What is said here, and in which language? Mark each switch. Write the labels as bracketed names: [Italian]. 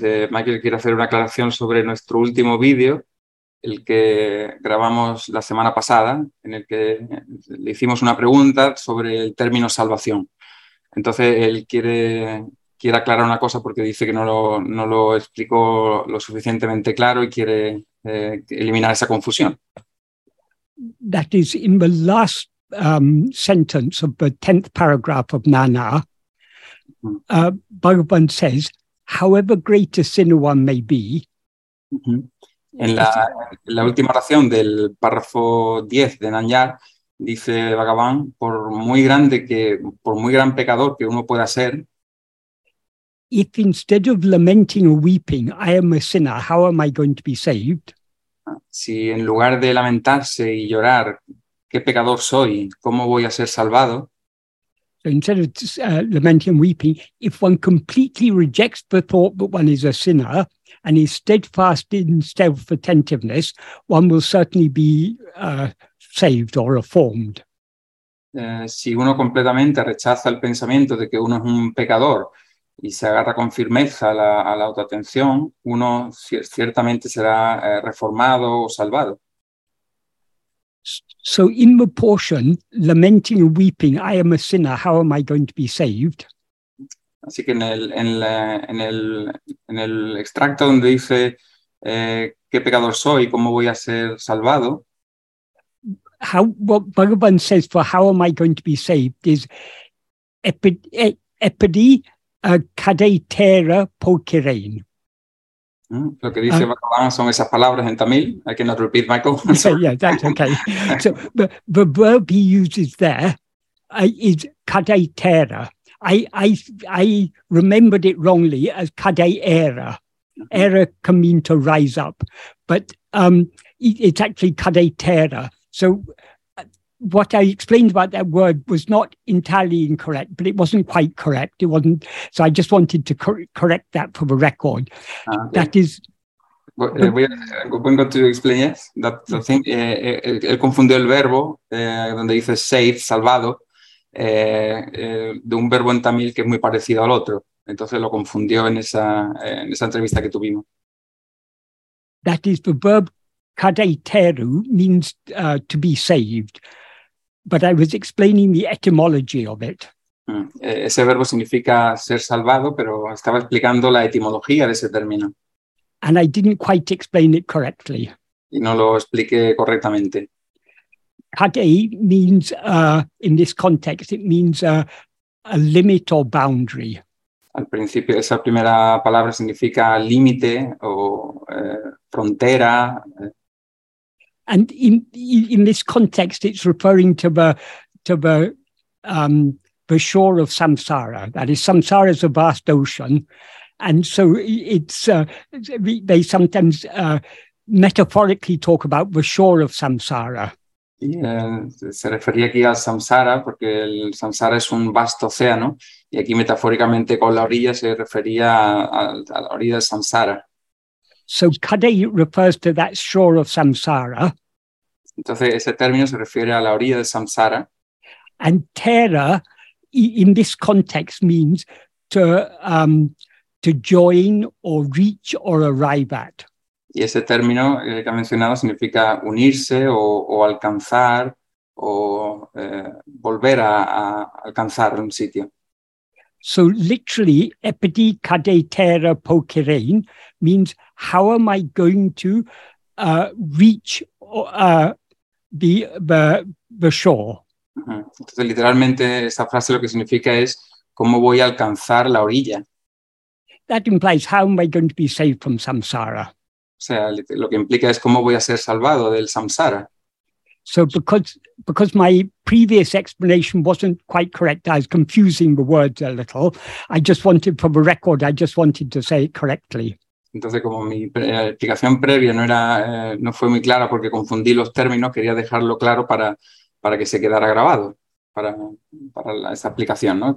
[Spanish] Michael quiere hacer una aclaración sobre nuestro último video, el que grabamos la semana pasada, en el que le hicimos una pregunta sobre el término salvación. Entonces, él quiere aclarar una cosa porque dice que no lo explicó lo suficientemente claro y quiere eliminar esa confusión. [English] That is in the last sentence of the 10th paragraph of Nana. Bhagavan says, however great a sinner one may be, [Spanish] En la última oración del párrafo 10 de Nanyar, dice Bhagavan, por muy gran pecador que uno pueda ser, [English] if instead of lamenting or weeping, I am a sinner, how am I going to be saved? [Spanish] Si en lugar de lamentarse y llorar, ¿qué pecador soy? ¿Cómo voy a ser salvado? [English] So instead of lamenting and weeping, if one completely rejects the thought that one is a sinner, and is steadfast in self-attentiveness, one will certainly be saved or reformed. [Spanish] Si uno completamente rechaza el pensamiento de que uno es un pecador y se agarra con firmeza a la autoatención, uno ciertamente será reformado o salvado. [English] So in the portion, lamenting and weeping, I am a sinner, how am I going to be saved? [Spanish] Así que en el extracto donde dice qué pecador soy, cómo voy a ser salvado. [English] What Bhagavan says for how am I going to be saved is epidi kadetera pokirein. [Spanish] Lo que dice Bhagavan son esas palabras en tamil. [English] I cannot repeat, Michael. yeah, that's okay. So the verb he uses there is kadetera. I remembered it wrongly as kade era. Era can mean to rise up, but it's actually kade tera. So what I explained about that word was not entirely incorrect, but it wasn't quite correct. It wasn't. So I just wanted to correct that for the record. Okay. That is. I'm going to explain, yes. That the thing, [Spanish] él confundió el verbo donde dice save, salvado. De un verbo en tamil que es muy parecido al otro. Entonces lo confundió en esa entrevista que tuvimos. [English] That is, the verb kadeteru means to be saved. But I was explaining the etymology of it. [Spanish] Ese verbo significa ser salvado, pero estaba explicando la etimología de ese término. [English] And I didn't quite explain it correctly. [Spanish] Y no lo expliqué correctamente. [English] Kade means, in this context, it means a limit or boundary. [Spanish] Al principio, esa primera palabra significa límite o frontera. [English] And in this context, it's referring to the shore of samsara. That is, samsara is a vast ocean, and so it's they sometimes metaphorically talk about the shore of samsara. [Spanish] Y se refería aquí al samsara, porque el samsara es un vasto océano, y aquí metafóricamente con la orilla se refería a la orilla de samsara. [English] So kade refers to that shore of samsara. [Spanish] Entonces ese término se refiere a la orilla de samsara. [English] And tera, in this context, means to join or reach or arrive at. [Spanish] Y ese término que ha mencionado significa unirse o alcanzar o volver a alcanzar un sitio. [English] So literally, epidi kade tera pokerein means, how am I going to reach the shore? [Spanish] Entonces, literalmente, esta frase lo que significa es, ¿cómo voy a alcanzar la orilla? [English] That implies, how am I going to be saved from samsara? [Spanish] O sea, lo que implica es, ¿cómo voy a ser salvado del samsara? [English] So because my previous explanation wasn't quite correct, I was confusing the words a little. I just wanted, for the record, I just wanted to say it correctly. [Spanish] Entonces, como mi explicación previa no fue muy clara porque confundí los términos, quería dejarlo claro para que se quedara grabado para esa explicación, ¿no?